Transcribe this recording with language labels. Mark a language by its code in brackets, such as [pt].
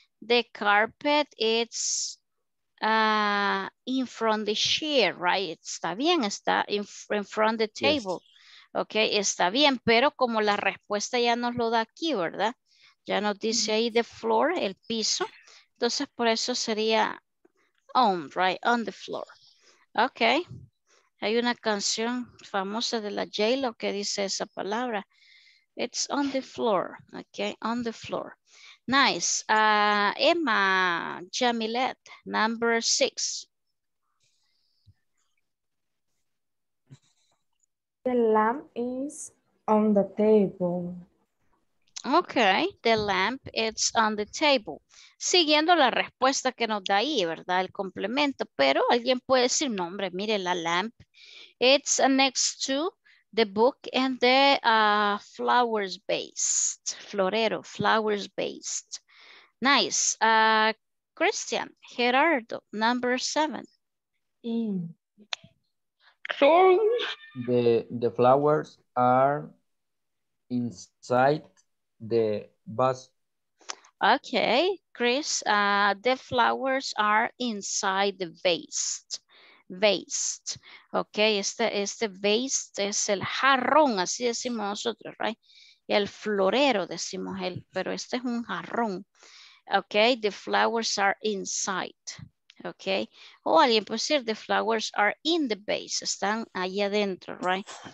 [en] The carpet is in front of the chair, right? [es] Está bien. Está [en] in front of the table. Yes. [es] Okay. Está bien. Pero como la respuesta ya nos lo da aquí, ¿verdad? Ya nos dice ahí the floor, el piso. Entonces, por eso sería on, right? [en] On the floor. [es] Okay. Hay una canción famosa de la J-Lo que dice esa palabra. [en] It's on the floor. Okay, on the floor. Nice. Emma Jamilet, number six. The lamp is on the table. Okay, the lamp is on the table. [es] Siguiendo la respuesta que nos da ahí, ¿verdad? El complemento. Pero alguien puede decir, no hombre, mire la lamp. [en] It's next to the book and the flowers based. Florero, flowers based. Nice. Christian, Gerardo, number seven. The flowers are inside the bus. Okay, Chris, the flowers are inside the vase. Vase. [es] Okay, este vase es el jarrón, así decimos nosotros, right? El florero decimos él, pero este es un jarrón. [en] Okay, the flowers are inside. Okay, [es] o alguien puede decir, [en] the flowers are in the vase, [es] están ahí adentro, [en] right?